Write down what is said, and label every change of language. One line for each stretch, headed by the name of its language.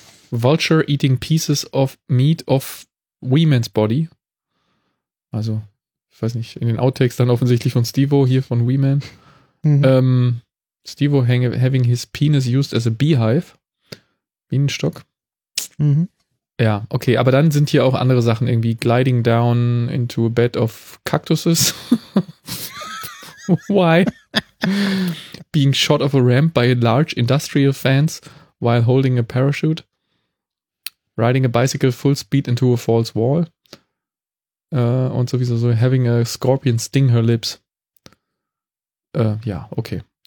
English: Vulture eating pieces of meat of women's body.
German: Also, ich weiß nicht, in den Outtakes dann offensichtlich von Steve-O hier von Wee Man.
English: Steve-O having his penis used as a beehive.
German: Bienenstock. Ja, okay, aber dann sind hier auch andere Sachen irgendwie
English: gliding down into a bed of cactuses. Why? Being shot off a ramp by large industrial fans while holding a parachute. Riding a bicycle full speed into a false wall.
German: Und sowieso so
English: having a scorpion sting her lips.
German: Ja, okay.